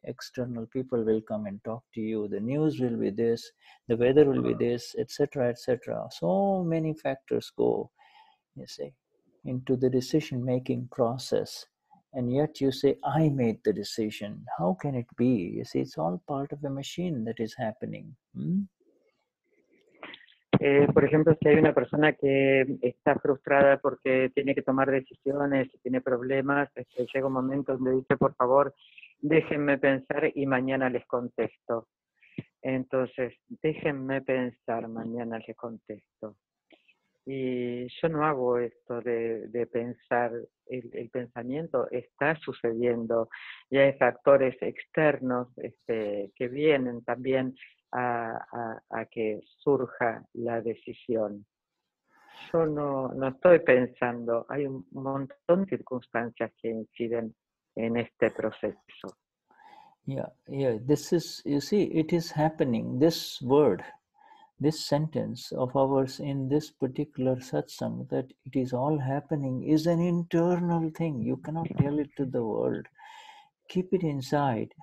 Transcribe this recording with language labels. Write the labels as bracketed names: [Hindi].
[English] External people will come and talk to you, the news will be this, the weather will be this, etc., etc. So many factors go, you see, into the decision making process. And yet you say, I made the decision. How can it be? You see, it's all part of a machine that is happening. [Spanish] Por ejemplo, si hay una persona que está frustrada porque tiene que tomar decisiones, tiene problemas, llega un momento donde dice, por favor, déjenme pensar y mañana les contesto. Entonces, déjenme pensar, mañana les contesto. Y yo no hago esto de pensar, el pensamiento está sucediendo y hay factores externos este, que vienen también a que surja la decisión. Yo no estoy pensando, hay un montón de circunstancias que inciden en este proceso. [English] Yeah, this is, you see, it is happening, this word. This sentence of ours in this particular satsang, that it is all happening, is an internal thing. You cannot tell it to the world. Keep it inside.